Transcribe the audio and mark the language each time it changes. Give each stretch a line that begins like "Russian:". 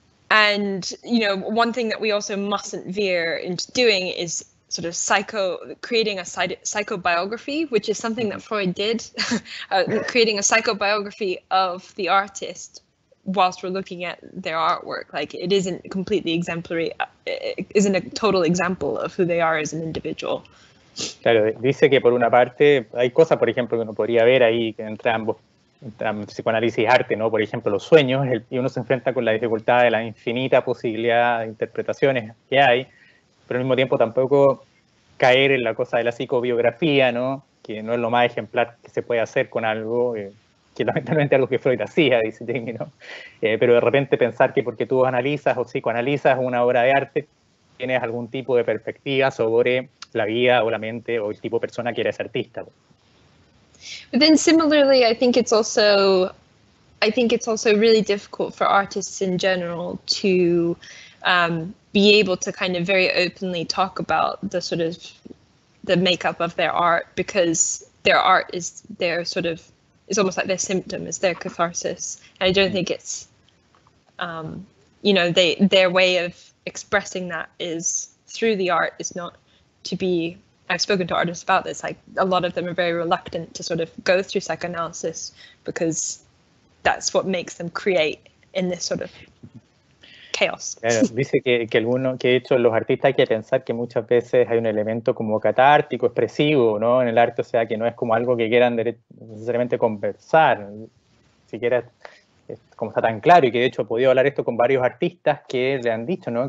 English: And, you know, one thing that we also mustn't veer into doing is sort of creating a psychobiography, which is something that Freud did, creating a psychobiography of the artist whilst we're looking at their artwork. Like, it isn't completely exemplary, it isn't a total example of who they are as an individual.
Spanish: Claro, dice que por una parte hay cosas, por ejemplo, que uno podría ver ahí entre ambos, entre psicoanálisis y arte, ¿no? Por ejemplo, los sueños, y uno se enfrenta con la dificultad de la infinita posibilidad de interpretaciones que hay, pero al mismo tiempo tampoco caer en la cosa de la psicobiografía, ¿no? Que no es lo más ejemplar que se puede hacer con algo, que lamentablemente algo que Freud hacía, dice Jamie, ¿no? Pero de repente pensar que porque tú analizas o psicoanalizas una obra de arte, tienes algún tipo de perspectiva sobre la vida o la mente o el tipo de persona que eres artista.
English: But then similarly, I think it's also really difficult for artists in general to be able to kind of very openly talk about the sort of the makeup of their art, because their art is their sort of, it's almost like their symptom, it's their catharsis. And I don't think it's, you know, their way of expressing that is through the art, is not to be, I've spoken to artists about this, like a lot of them are very reluctant to sort of go through psychoanalysis because that's what makes them create in this sort of chaos.
Spanish: Claro, dice que de hecho los artistas hay que pensar que muchas veces hay un elemento como catártico, expresivo, ¿no? En el arte, o sea, que no es como algo que quieran necesariamente conversar, siquiera es como está tan claro, y que de hecho he podido hablar esto con varios artistas que le han dicho, ¿no?